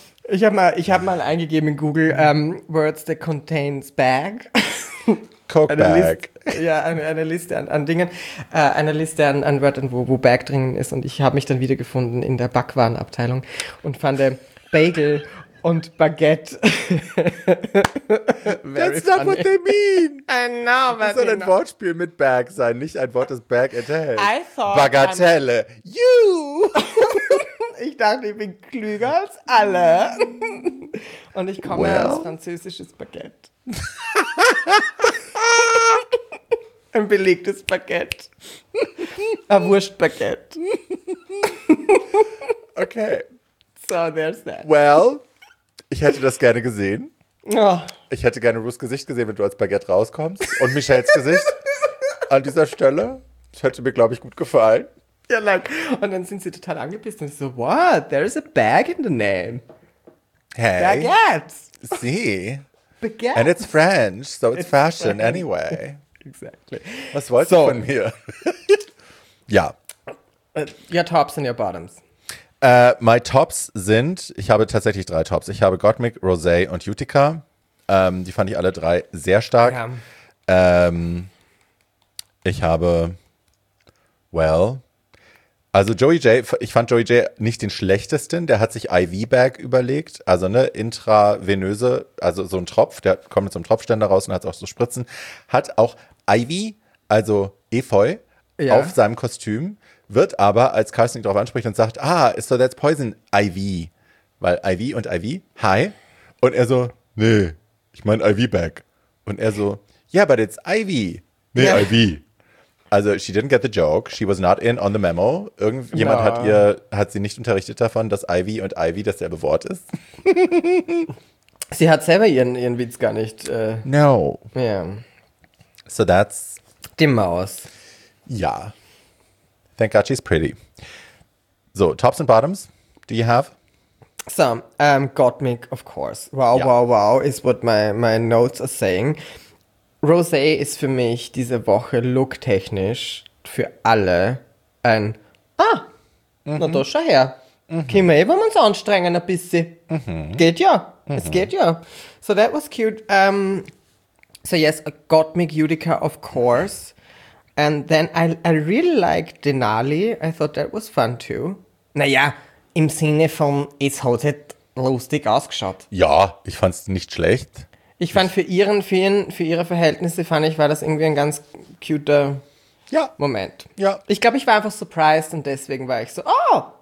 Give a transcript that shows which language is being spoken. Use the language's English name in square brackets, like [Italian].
[German] Ich hab mal eingegeben in Google [English] Words that contains bag. Coke eine bag. [German] List, ja, eine Liste an Dingen. Eine Liste an Wörtern, wo Bag drin ist. Und ich habe mich dann wiedergefunden in der Backwarenabteilung und fand Bagel und Baguette. [English] That's funny. Not what they mean. I know, but [German] das soll ein Wortspiel mit bag sein, nicht ein Wort, das bag enthält. [English] I thought... Bagatelle. You! [German] Ich dachte, ich bin klüger als alle. Und ich komme als französisches Baguette. Ein belegtes Baguette. Ein Wurstbaguette. [English] Okay. So, there's that. [German] Well, ich hätte das gerne gesehen. Ich hätte gerne Ruths Gesicht gesehen, wenn du als Baguette rauskommst. Und Michelles Gesicht an dieser Stelle. Das hätte mir, glaube ich, gut gefallen. Ja, lang. Und dann sind sie total angepisst und [English] so, what? There is a bag in the name. Hey. Baguettes. See? Baguettes. And it's French, so it's fashion French. Anyway. Exactly. [German] Was wollt ihr von mir? Ja. [English] Your tops and your bottoms. My tops [German] sind, ich habe tatsächlich 3 Tops. Ich habe Gottmik, Rosé und Utica. Die fand ich alle 3 sehr stark. Ja. Ich habe, well... Also Joey J, ich fand Joey J nicht den schlechtesten, der hat sich IV-Bag überlegt, also ne, intravenöse, also so ein Tropf, der kommt mit so einem Tropfständer raus und hat auch so Spritzen, hat auch IV, also Efeu, auf seinem Kostüm, wird aber, als Carsten darauf anspricht und sagt, [English] so that's poison, [German] IV, weil IV und IV, hi, und er so, nee, ich mein IV-Bag, und er so, [English] yeah, but it's IV, [German] nee, yeah. [English] IV. Also, she didn't get the joke. She was not in on the memo. [German] Irgendjemand hat sie nicht unterrichtet davon, dass Ivy und Ivy dasselbe Wort ist. Sie hat selber ihren Witz gar nicht. [English] No. Yeah. So that's... [German] Die Maus. [English] Ja. Thank God she's pretty. So, tops and bottoms. Do you have? So, Gottmik, of course. Wow, is what my notes are saying. [German] Rosé ist für mich diese Woche looktechnisch für alle ein Na, da schau her. Können wir eben uns anstrengen ein bisschen. Geht ja. Es geht ja. [English] So that was cute. So yes, I got me Utica, of course. And then I really liked Denali. I thought that was fun too. [German] Naja, im Sinne von, es hat halt lustig ausgeschaut. Ja, ich fand es nicht schlecht. Ich fand für ihre Verhältnisse, fand ich, war das irgendwie ein ganz cuter Moment. Ja. Ich glaube, ich war einfach surprised und deswegen war ich so, oh,